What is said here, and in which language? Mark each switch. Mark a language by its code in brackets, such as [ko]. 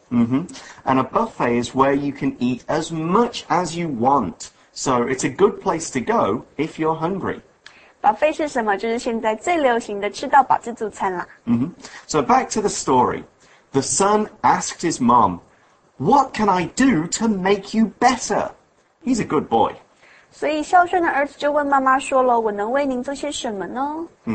[en] And a buffet is where you can eat as much as you want. So it's a good place to go if you're hungry. [zh] Buffet 是什么？就是现在最流行的吃到饱自助餐啦。 [en] So back to the story. The son asked his mom, What can I do to make you better? He's a good boy. [zh] 所以孝顺的儿子就问妈妈说了，我能为您做些什么呢？